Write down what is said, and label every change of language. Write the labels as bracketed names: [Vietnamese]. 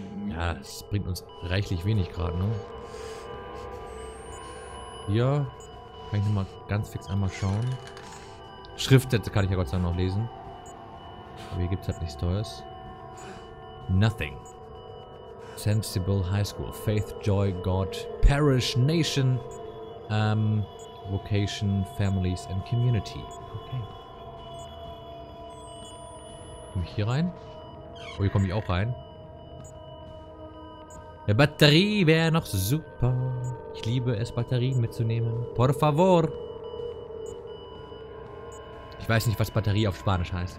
[German] Ja, es bringt uns reichlich wenig gerade, ne? Hier kann ich nochmal ganz fix einmal schauen. Schriftsätze kann ich ja Gott sei Dank noch lesen. Aber hier gibt es halt nichts Tolles. [English] Nothing. Sensible High School. Faith, Joy, God, Parish, Nation, Vocation, Families and Community. Okay. [German] Komm ich hier rein? Oh, hier komme ich auch rein. Eine Batterie wäre noch super. Ich liebe es, Batterien mitzunehmen. [Spanish] Por favor. [German] Ich weiß nicht, was Batterie auf Spanisch heißt.